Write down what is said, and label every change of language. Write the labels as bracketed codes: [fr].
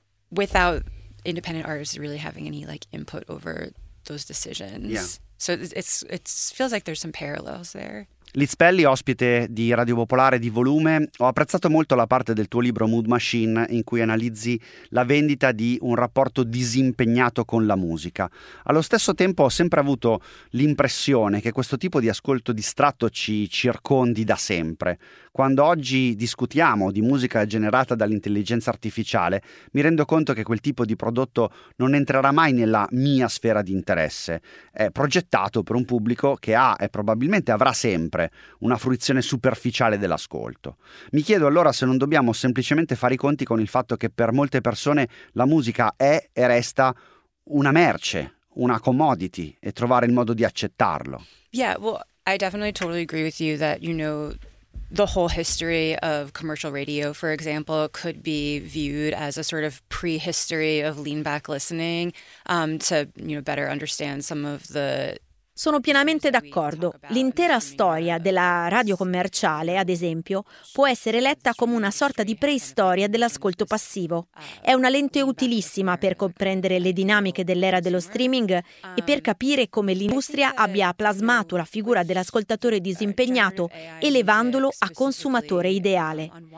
[en] Without independent artists really having any like input over those decisions. Yeah. So it feels like there's some parallels there. [it] Liz Pelli, ospite di Radio Popolare di Volume, ho apprezzato molto la parte del tuo libro Mood Machine in cui analizzi la vendita di un rapporto disimpegnato con la musica. Allo stesso tempo ho sempre avuto l'impressione che questo tipo di ascolto distratto ci circondi da sempre. Quando oggi discutiamo di musica generata dall'intelligenza artificiale, mi rendo conto che quel tipo di prodotto non entrerà mai nella mia sfera di interesse. È progettato per un pubblico che ha e probabilmente avrà sempre una fruizione superficiale dell'ascolto. Mi chiedo allora se non dobbiamo semplicemente fare i conti con il fatto che per molte persone la musica è e resta una merce, una commodity, e trovare il modo di accettarlo. [en] Yeah, well, I definitely totally agree with you that, you know, the whole history of commercial radio, for example, could be viewed as a sort of prehistory of lean back listening, to, you know, better understand some of the. [it] Sono pienamente d'accordo. L'intera storia della radio commerciale, ad esempio, può essere letta come una sorta di preistoria dell'ascolto passivo. È una lente utilissima per comprendere le dinamiche dell'era dello streaming e per capire come l'industria abbia plasmato la figura dell'ascoltatore disimpegnato, elevandolo a consumatore ideale.